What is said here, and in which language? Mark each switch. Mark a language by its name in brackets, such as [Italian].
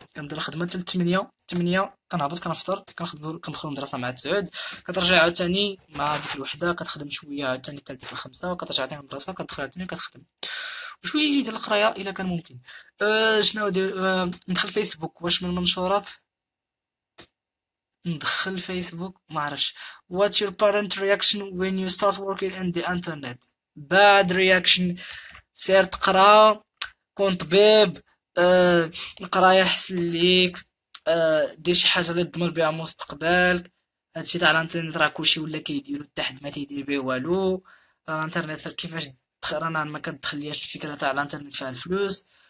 [Arabic] كنبدا الخدمة تل 8، 8 كنهبط كنفطر، كندخل المدرسة مع تسعود، كترجع عاوتاني مع ديك الوحدة، كتخدم شوية عاوتاني تل ديك الخمسة، وكترجع عاوتاني المدرسة، كتدخل عاوتاني كتخدم وشوية ديال القراية إلا كان ممكن. شنو دير؟ ندخل فيسبوك، واش من المنشورات؟ ندخل فيسبوك ما عرفش. [English] What's your parent reaction when you start working in the internet؟ Bad reaction. [Arabic] سير تقرا، كون طبيب، القراية حسن ليك، دير شي حاجة اللي تضمن بيها مستقبلك. هادشي تاع الانترنت راه كلشي ولا كيديرو، حتى حد ما تيدير بيه والو. الانترنت كيفاش رانا ما كتدخليهاش الفكرة تاع الانترنت فيها الفلوس.